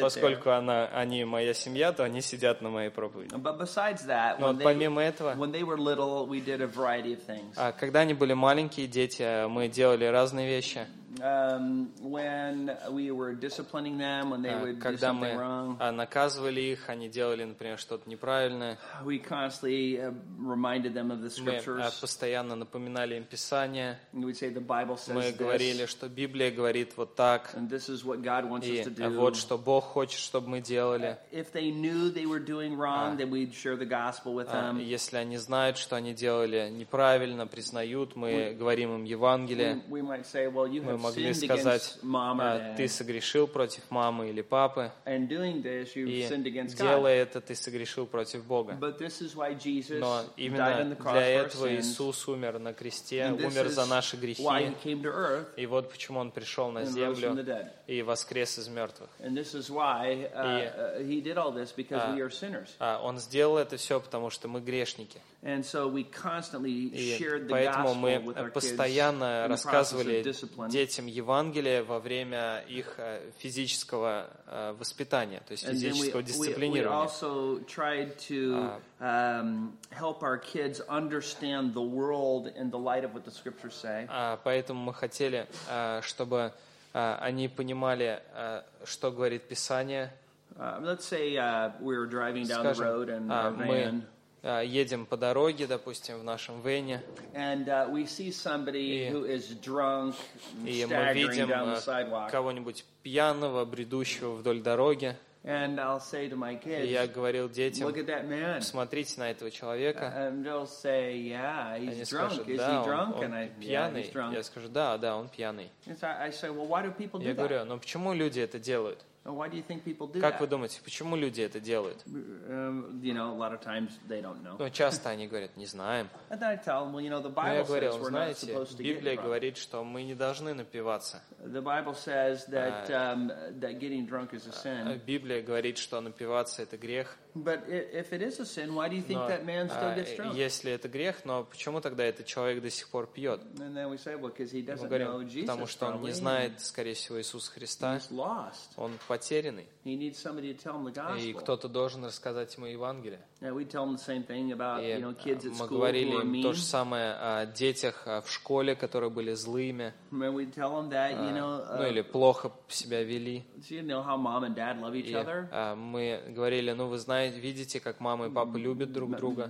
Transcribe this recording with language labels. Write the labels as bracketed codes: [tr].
[ru] Поскольку они моя семья, то они сидят на моей проповеди. [en] But besides that, [ru] Но вот помимо этого, [en] when they were little, we did a variety of things. [ru] Когда они были маленькие дети, мы делали разные вещи. [en] When we were disciplining them, when they would [ru] когда [en] do something wrong. [ru] Когда мы наказывали их, они делали, например, что-то неправильное. [en] We constantly reminded them of the scriptures. [ru] Мы постоянно напоминали им Писание. [en] We'd say the Bible says [ru] Мы говорили, [en] this. [ru] Что Библия говорит вот так. [en] And this is what God wants [ru] И [en] us to do. [ru] Вот что Бог хочет, чтобы мы делали. [en] If they knew they were doing wrong, then we'd share the gospel with them. [ru] Если они знают, что они делали неправильно, признают, мы говорим им Евангелие. [en] We might say, well, you [ru] Мы могли сказать, ты согрешил против мамы или папы, и делая это, ты согрешил против Бога. Но именно для этого Иисус умер на кресте, умер за наши грехи, и вот почему Он пришел на землю и воскрес из мертвых. И Он сделал это все, потому что мы грешники. [en] And so we constantly shared the gospel with our kids. [ru] Мы постоянно рассказывали детям Евангелие во время их физического воспитания, то есть физического дисциплинирования. [en] And we also tried to help our kids understand the world in the light of what the scriptures say. [ru] Поэтому мы хотели, чтобы они понимали, что говорит Писание. [en] Let's say we were driving down the road and ran. [ru] Едем по дороге, допустим, в нашем вене. И мы видим кого-нибудь пьяного, бредущего вдоль дороги. [en] And I'll say to my kids, [ru] и я говорил детям, [en] Look at that man. [ru] Посмотрите на этого человека. [en] And they'll say, yeah, he's [ru] Они drunk. Скажут, да, он пьяный. [en] Yeah, he's drunk. [ru] Я скажу, да, он пьяный. [en] I say, well, why do people do that? [ru] Я говорю, но почему люди это делают? [en] Why do you think people do that? [ru] Как вы думаете, почему люди это делают? [en] You know, a lot of times they don't know. [ru] Но часто они говорят, не знаем. [en] And then I tell them, well, you know, the Bible says we're not supposed to get drunk. [ru] Библия говорит, что мы не должны напиваться. [en] The Bible says that that getting drunk is a sin. [ru] Библия говорит, что напиваться это грех. [en] But if it is a sin, why do you think that man still gets drunk? [ru] Если это грех, но почему тогда этот человек до сих пор пьет? [en] And then we say, well, because he doesn't know Jesus. [ru] Потому что он не знает, скорее всего, Иисуса Христа. [en] He's lost. [ru] Он потерянный. [en] He needs somebody to tell him the gospel. [ru] И кто-то должен рассказать ему Евангелие. [en] Yeah, we tell him the same thing about, you know, kids at school. [ru] Мы говорили им то же самое о детях в школе, которые были злыми. [en] We tell them that, you know, [ru] ну или плохо себя вели. [en] You know how mom and dad love each other? [ru] Мы говорили, ну вы знаете, видите, как мама и папа любят друг друга.